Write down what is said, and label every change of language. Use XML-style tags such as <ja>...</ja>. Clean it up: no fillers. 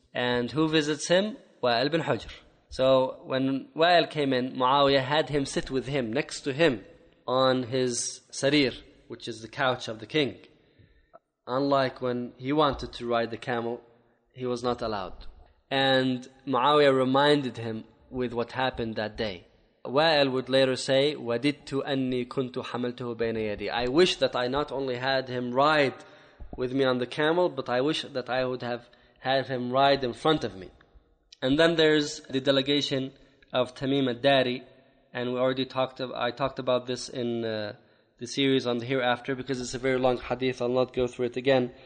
<en>And who visits him? Wael bin Hujr. So when Wael came in, Muawiyah had him sit with him, next to him, on his sarir, which is the couch of the king. Unlike when he wanted to ride the camel, he was not allowed. And Muawiyah reminded him with what happened that day. Wael would later say,</en> <ar>وَدِدْتُ أَنِّي كُنْتُ حَمَلْتُهُ بَيْنَ يَدِي.</ar> <en>I wish that I not only had him ride with me on the camel, but I wish that I would have had him ride in front of me. And then there's the delegation of Tamim al-Dari, and I talked about this in the series on the hereafter, because it's a very long hadith, I'll not go through it again.</en>